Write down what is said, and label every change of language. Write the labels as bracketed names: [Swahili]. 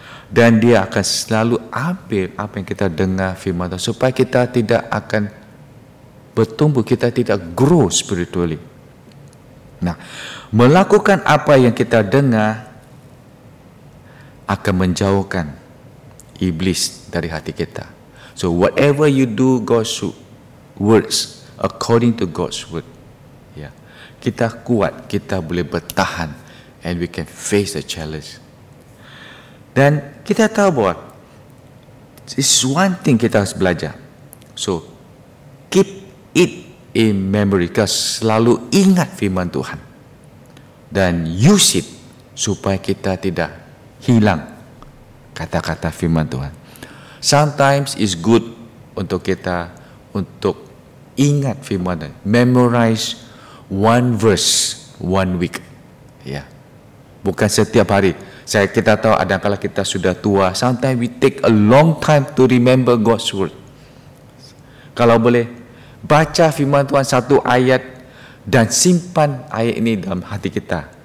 [Indonesian] Dan dia akan selalu ambil apa yang kita dengar firman Tuhan supaya kita tidak akan bertumbuh, kita tidak grow spiritually. Nah, melakukan apa yang kita dengar akan menjauhkan iblis dari hati kita. [English] So whatever you do God's words according to God's word. [Indonesian] Ya. Kita kuat, kita boleh bertahan [English] and we can face the challenge. [Indonesian] Dan kita tahu bahwa [English] it's one thing [Indonesian] kita harus belajar. [English] So keep it in memory, [Indonesian] kita selalu ingat firman Tuhan dan [English] use it [Indonesian] supaya kita tidak hilang kata-kata firman Tuhan. [English] Sometimes it's good [Indonesian] untuk kita untuk ingat firman Tuhan. [English] Memorize one verse one week. [Indonesian] Ya. Bukan setiap hari. Saya kita tahu kadang-kadang kita sudah tua, [English] sometimes we take a long time to remember God's word. [Indonesian] Kalau boleh baca firman Tuhan satu ayat dan simpan ayat ini dalam hati kita.